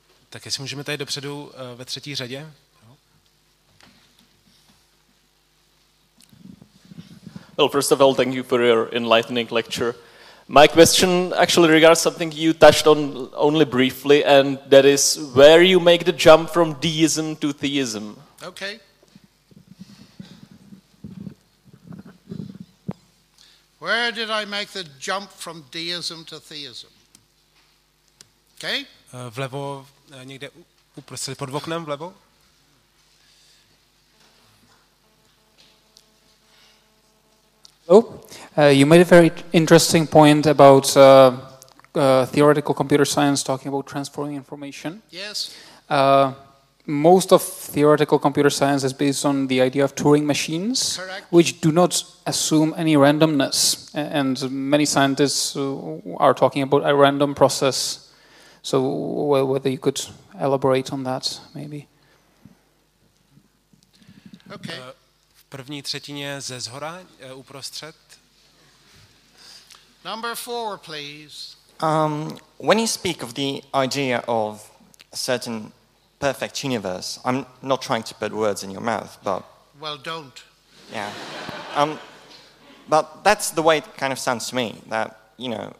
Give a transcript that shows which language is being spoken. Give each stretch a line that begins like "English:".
Czech: Tak jestli můžeme tady dopředu ve třetí řadě.
English: Well, first of all, thank you for your enlightening lecture. My question actually regards something you touched on only briefly, and that is where you make the jump from deism to theism. Okay. Where did I make the jump from deism to theism? Okay.
Czech: Vlevo, někde uprostřed pod oknem, vlevo.
English: Hello. You made a very interesting point about theoretical computer science talking about transforming information. Yes. Most of theoretical computer science is based on the idea of Turing machines. Correct. Which do not assume any randomness. And many scientists are talking about a random process. So whether you could elaborate on that, maybe. Okay.
Czech: První třetině ze zhora, uprostřed.
English: Number four, please. When you speak of the idea of a certain perfect universe, I'm not trying to put words in your mouth, but... Well, don't. Yeah. But that's the way it kind of sounds to me, that, you know...